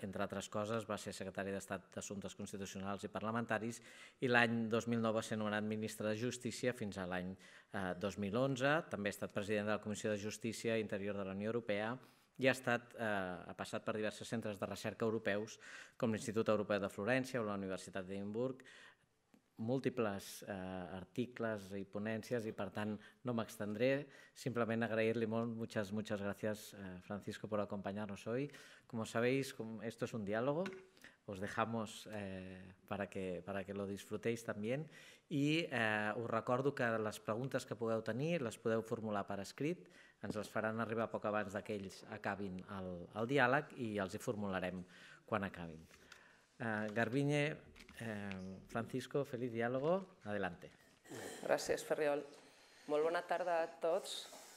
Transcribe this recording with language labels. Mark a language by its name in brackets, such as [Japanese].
[Catalan] Entre altres coses va ser secretari d'Estat d'Assumptes Constitucionals i Parlamentaris i l'any 2009 va ser nomenat ministre de Justícia fins a l'any 2011. També ha estat president de la Comissió de Justícia Interior de la Unió Europea i ha passat per diversos centres de recerca europeus, com l'Institut Europeu de Florència o la Universitat d'Edimburg. [Spanish] múltiples artículos y ponencias y, por tanto, no me extendré. Simplemente agradecerle muchas gracias, Francisco, por acompañarnos hoy. Como sabéis, esto es un diálogo. Os dejamos para que lo disfrutéis también. Y os recuerdo que las preguntas [Catalan] que podeu tenir las podeu formular per escrit. Ens les faran arribar poc abans que ells acabin el diàleg i els hi formularem quan acabin. [Spanish] Garbiñe, Francisco, feliz diálogo. Adelante. [Catalan] Gràcies, Ferriol. Molt bona tarda a tots.